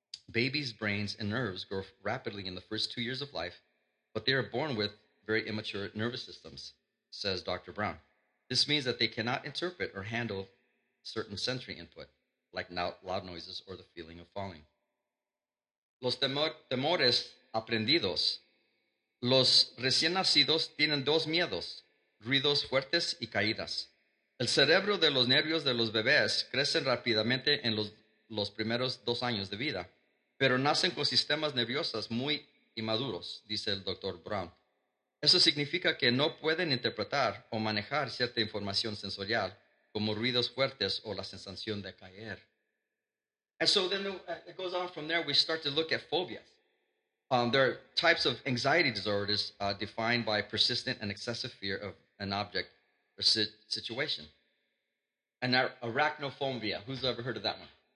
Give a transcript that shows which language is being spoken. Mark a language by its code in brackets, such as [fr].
[en] Babies' brains and nerves grow rapidly in the first 2 years of life, but they are born with very immature nervous systems, says Dr. Brown. This means that they cannot interpret or handle certain sensory input, like loud noises or the feeling of falling. [es] Los temores aprendidos. Los recién nacidos tienen dos miedos, ruidos fuertes y caídas. El cerebro de los nervios de los bebés crecen rápidamente en los primeros 2 años de vida, pero nacen con sistemas nerviosos muy inmaduros, dice el Dr. Brown. Eso significa que no pueden interpretar o manejar cierta información sensorial, como ruidos fuertes o la sensación de caer. [en] And so then it goes on from there. We start to look at phobias. There are types of anxiety disorders defined by persistent and excessive fear of an object or situation. And arachnophobia, who's ever heard of that one?